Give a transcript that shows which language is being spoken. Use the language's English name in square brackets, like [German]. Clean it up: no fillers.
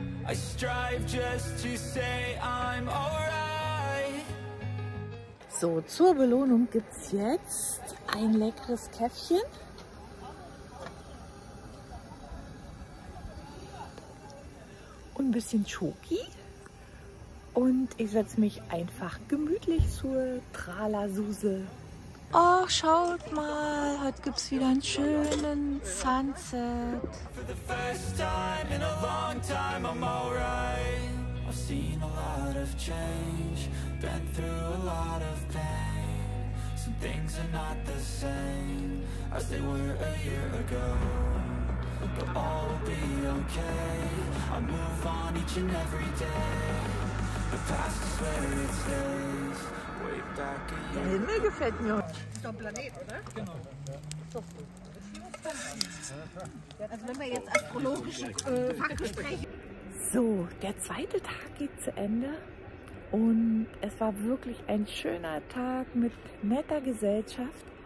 [English] I strive just to say I'm alright. [German] So, zur Belohnung gibt's jetzt ein leckeres Käffchen. Und ein bisschen Schoki. Und ich setze mich einfach gemütlich zur Tralasuse. Oh, schaut mal, heute gibt's wieder einen schönen Sunset. [English] For the first time in a long time I'm alright. I've seen a lot of change, been through a lot of pain. Some things are not the same as they were a year ago. But all will be okay, I move on each and every day. The past is where it stays. [German] Der Himmel gefällt mir. Ist doch ein Planet, oder? Genau. Also wenn wir jetzt astrologische Fakten sprechen. So, der zweite Tag geht zu Ende. Und es war wirklich ein schöner Tag mit netter Gesellschaft.